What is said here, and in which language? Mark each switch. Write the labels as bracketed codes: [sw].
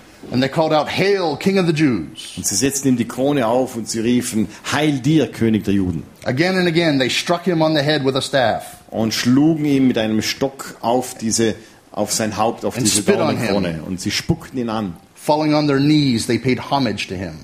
[en] And they called out, "Hail, King of the Jews!" [de] Und sie setzten ihm die Krone auf und sie riefen, "Heil dir, König der Juden!" [en] Again and again, they struck him on the head with a staff. [de] Und schlugen ihn mit einem Stock auf diese, auf sein Haupt, auf diese Dornenkrone. Und sie spuckten ihn an. [en] Falling on their knees, they paid homage to him.